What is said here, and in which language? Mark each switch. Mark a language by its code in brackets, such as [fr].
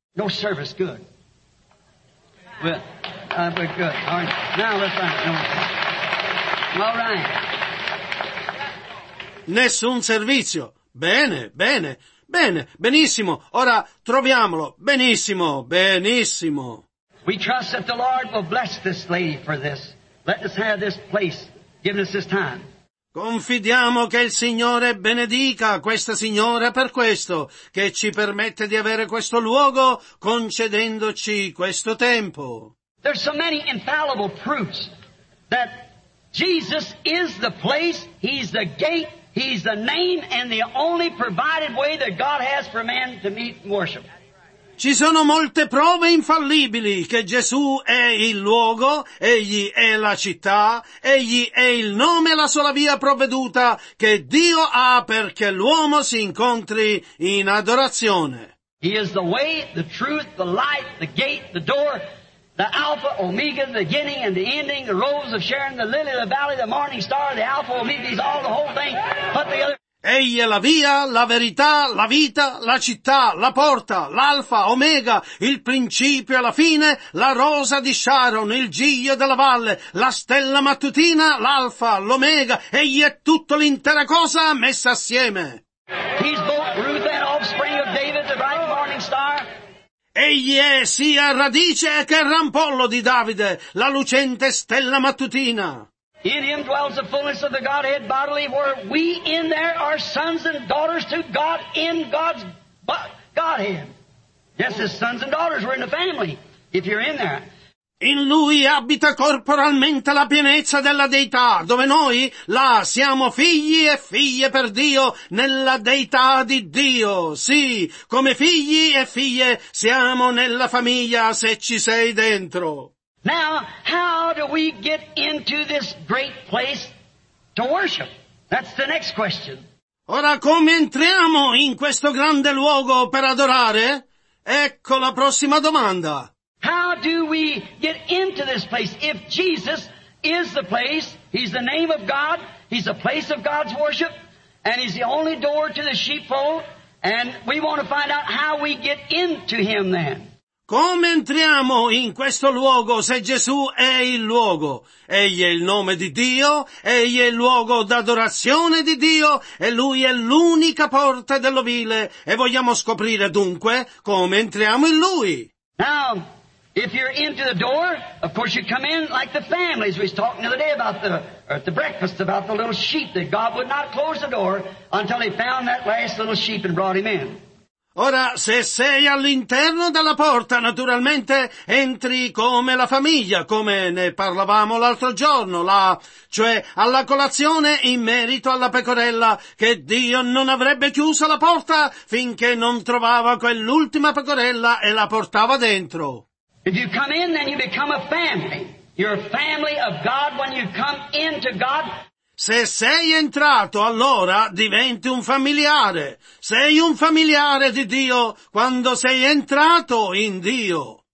[en] No service, good. Well, we're good. All right. Now let's find it. All right. [it] Nessun servizio. Bene, bene, bene, benissimo. Ora troviamolo. Benissimo, benissimo. [en] We trust that the Lord will bless this lady for this. Let us have this place. Give us this time. [it] Confidiamo che il Signore benedica questa signora per questo, che ci permette di avere questo luogo concedendoci questo tempo. [en] There's so many infallible proofs that Jesus is the place, He's the gate, He's the name, and the only provided way that God has for man to meet and worship. [it] Ci sono molte prove infallibili che Gesù è il luogo, egli è la città, egli è il nome e la sola via provveduta che Dio ha perché l'uomo si incontri in adorazione. [en] He is the way, the truth, the light, the gate, the door, the Alpha, Omega, the beginning and the ending, the rose of Sharon, the lily of the valley, the morning star, the Alpha, Omega, he's all the whole thing. But the other... [it] Egli è la via, la verità, la vita, la città, la porta, l'alfa, omega, il principio e la fine, la rosa di Sharon, il giglio della valle, la stella mattutina, l'alfa, l'omega, egli è tutto l'intera cosa messa assieme. [en] He's both root and offspring of David, the bright morning star. [it] Egli è sia radice che rampollo di Davide, la lucente stella mattutina. [en] In Him dwells the fullness of the Godhead bodily, where we in there are sons and daughters to God in God's Godhead. Yes, as sons and daughters, we're in the family, if you're in there. [it] In Lui abita corporalmente la pienezza della Deità, dove noi, là, siamo figli e figlie per Dio, nella Deità di Dio. Sì, come figli e figlie siamo nella famiglia, se ci sei dentro. [en] Now, how do we get into this great place to worship? That's the next question. [it] Ora, come entriamo in questo grande luogo per adorare? Ecco la prossima domanda. [en] How do we get into this place? If Jesus is the place, He's the name of God, He's the place of God's worship, and He's the only door to the sheepfold, and we want to find out how we get into Him then. [it] Come entriamo in questo luogo se Gesù è il luogo? Egli è il nome di Dio, egli è il luogo d'adorazione di Dio e lui è l'unica porta dell'ovile e vogliamo scoprire dunque come entriamo in lui. [en] Now, if you're into the door, of course you come in like the families. We was talking the other day about the, or at the breakfast, about the little sheep that God would not close the door until He found that last little sheep and brought him in. [it] Ora, se sei all'interno della porta, naturalmente entri come la famiglia, come ne parlavamo l'altro giorno, là, cioè alla colazione in merito alla pecorella, che Dio non avrebbe chiuso la porta finché non trovava quell'ultima pecorella e la portava dentro. [en] If you come in, then you become a family. You're a family of God when you come into God. [it] Se sei entrato, allora diventi un familiare. Sei un familiare di Dio quando sei entrato in Dio.